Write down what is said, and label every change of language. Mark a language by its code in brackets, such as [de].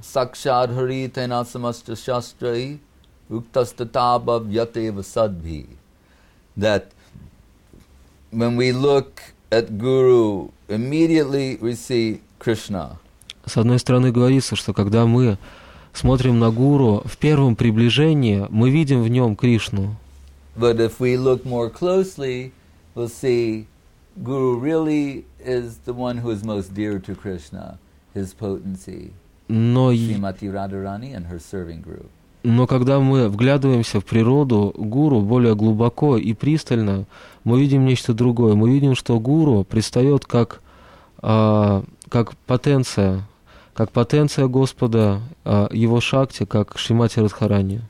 [sa] Сакшадхари тайнасамасча шастрай уктастатаба вьятева садби. [en] That when we look at Guru, immediately we see Krishna. [ru] С одной стороны, говорится, что когда мы смотрим на Гуру, в первом приближении мы видим в нем Кришну. [en] But if we look more closely, we'll see Guru really is the one who is most dear to Krishna, his potency, Srimati Radharani and her serving group. [ru] Но когда мы вглядываемся в природу Гуру более глубоко и пристально, мы видим нечто другое. Мы видим, что Гуру предстает как потенция Господа, его шакти, как Шримати Радхарани.